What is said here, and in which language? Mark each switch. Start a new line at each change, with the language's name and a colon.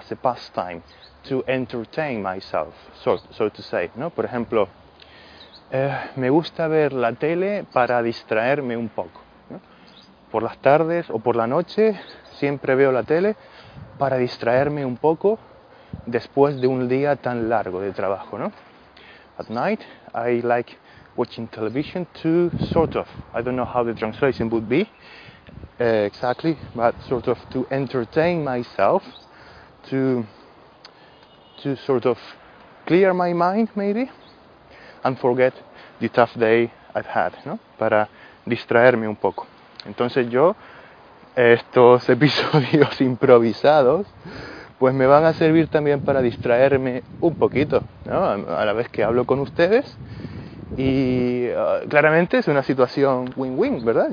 English: As a pastime, to entertain myself, so to say,
Spanish: ¿no? Por ejemplo, me gusta ver la tele para distraerme un poco, ¿no? Por las tardes o por la noche siempre veo la tele para distraerme un poco después de un día tan largo de trabajo, ¿no?
English: At night, I like watching television to sort of, I don't know how the translation would be exactly, but sort of to entertain myself, to sort of clear my mind, maybe, and forget the tough day I've had,
Spanish: ¿no? Para distraerme un poco. Entonces yo, estos episodios improvisados, pues me van a servir también para distraerme un poquito, ¿no? A la vez que hablo con ustedes. Y claramente es una situación win-win, ¿verdad?